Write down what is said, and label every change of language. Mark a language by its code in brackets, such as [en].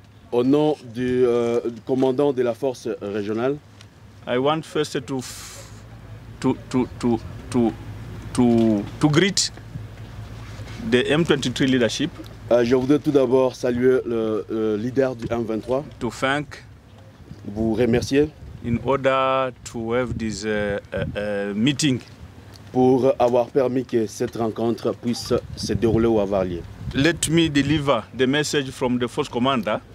[fr] Au nom du commandant de la force régionale. [en] I want first to greet the M23 leadership. [fr] Je voudrais tout d'abord saluer le leader du M23. [en] To thank. [fr] Vous remercier. [en] In order to have this meeting. [fr] Pour avoir permis que cette rencontre puisse se dérouler ou avoir lieu. [en] Let me deliver the message from the force commander.